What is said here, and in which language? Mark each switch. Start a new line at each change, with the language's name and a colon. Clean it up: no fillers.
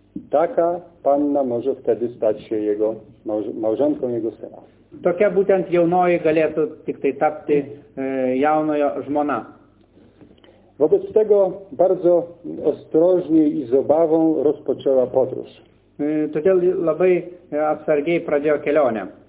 Polish: Taka panna może wtedy stać się jego małżonką jego syna.
Lithuanian: Tokia būtent jaunoji galėtų tik tai tapti jaunojo žmona.
Polish: Wobec tego bardzo ostrożnie i z obawą rozpoczęła podróż.
Lithuanian: Todėl labai atsargiai pradėjo kelionę.